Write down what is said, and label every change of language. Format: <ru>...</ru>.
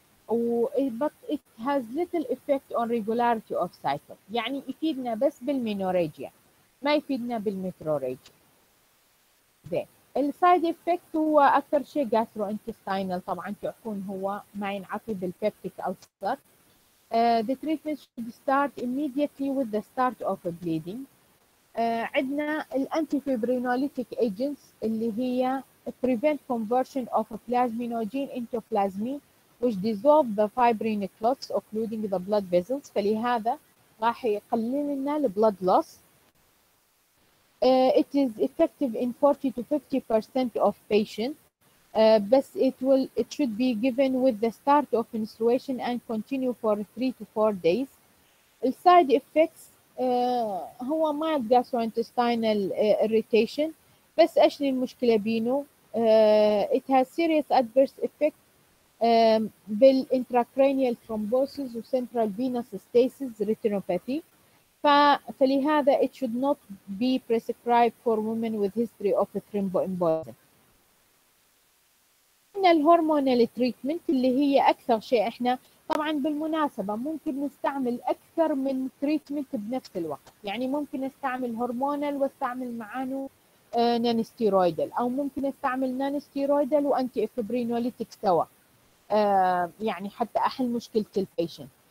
<en>و but it has little effect on regularity of cycle.</en> <ar>يعني يفيدنا بس بالمينوريجيا، ما يفيدنا بالميتروريجيا. زين السايد افكت هو اكثر شيء جاسترو انتستاينال، طبعا تكون هو ما ينعطي بالبيبتيك ألسر.</ar> <en>The treatment should start immediately with the start of a bleeding.</en> <ar>عندنا الانتيفيبرينوليتيك ايجنتس اللي هي</ar> <en>prevent conversion of a plasminogen into plasmin which dissolve the fibrin clots occluding the blood vessels،</en> <ar>فلهذا راح يقلل لنا البلد لوس.</ar> <en>It is effective in 40 to 50% of patients. But it should be given with the start of menstruation and continue for 3 to 4 days. The side effects هو mild gastrointestinal irritation.</en> <ar>بس إيش المشكلة بينه؟</ar> <en>It has serious adverse effect بال intracranial thrombosis و central venous stasis retinopathy. فلهذا it should not be prescribed for women with history of a thromboembolism.</en> <ar>عندنا الهرمونال تريتمنت اللي هي اكثر شيء احنا طبعا بالمناسبه ممكن نستعمل اكثر من تريتمنت بنفس الوقت، يعني ممكن استعمل هرمونال واستعمل معانه نانستيرويدال، او ممكن استعمل نانستيرويدال وانتي افبرينوليتك سوا، يعني حتى احل مشكله البيشنت.</ar>